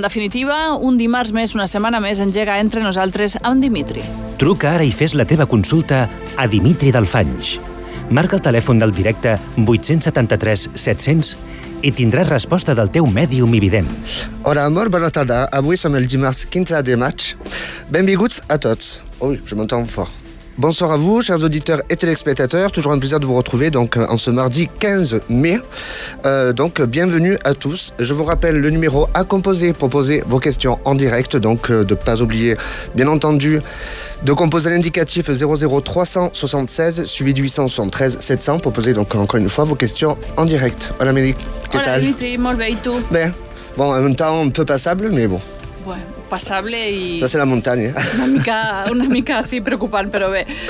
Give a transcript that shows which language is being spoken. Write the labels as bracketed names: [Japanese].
[Catalan] En definitiva, un dimarts més, una setmana més, engega Entre nosaltres amb Dimitri. Truca ara i fes la teva consulta a Dimitri Dalfanys. Marca el telèfon del directe 873-700 i tindràs resposta del teu mèdium i vident. Hola, amor, bona tarda. Avui som el dimarts 15 de maig. Benvinguts a tots. Ui, [French] je m'entends fort. Bonsoir à vous, chers auditeurs et téléspectateurs. Toujours un plaisir de vous retrouver donc, en ce mardi 15 mai. Donc, bienvenue à tous. Je vous rappelle le numéro à composer pour poser vos questions en direct. Donc, de ne pas oublier, bien entendu, de composer l'indicatif 00376 suivi du 873-700 pour poser donc, encore une fois vos questions en direct. [Catalan] Hola, Mélie. Hola, Dimitri. Molvei, [French] et toi? Bon, en même temps, un peu passable, mais bon. [Catalan] Passable i... Això és la muntanya. Una mica, sí, preocupant, però bé.